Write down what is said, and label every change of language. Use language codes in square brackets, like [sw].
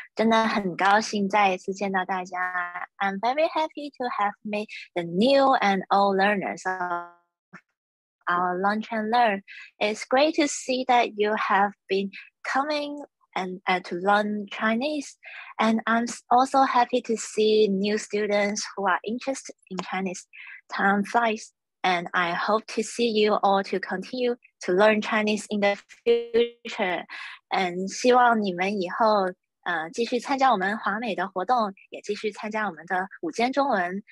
[zh] 真的很高兴再一次见到大家. [en] I'm very happy to have met the new and old learners of our Lunch and Learn. It's great to see that you have been coming and to learn Chinese. And I'm also happy to see new students who are interested in Chinese. Time flies. And I hope to see you all to continue to learn Chinese in the future. [zh] And 希望你们以后 继续参加我们华美的活动, 也继续参加我们的午间中文。